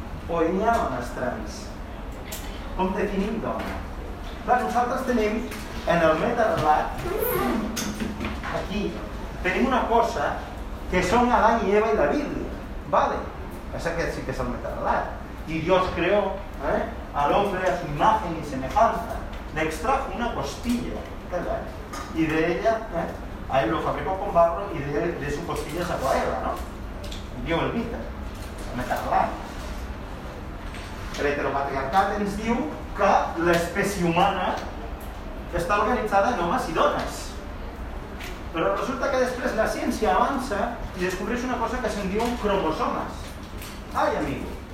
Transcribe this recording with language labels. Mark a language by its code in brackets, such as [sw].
[ca] O hi ha dones trans? Com definim dona? Clar, nosaltres tenim en el metarrelat, aquí, tenim una cosa que són Adán i Eva i la Bíblia. Vale? És aquest sí que és el metarrelat. [es] I Dios creó a l'hombre a su imagen y semejanza. Le extrajo una costilla. [ca] I d'ella, [es] a él lo fabricó con barro y de su costilla sacó a Eva, no? [ca] Diu el mite, el metarrelat. L'heteropatriarcat ens diu que l'espècie humana està organitzada en homes i dones. Però resulta que després la ciència avança i descobreix una cosa que se'n diu cromosomes. [es] Ai, amigo!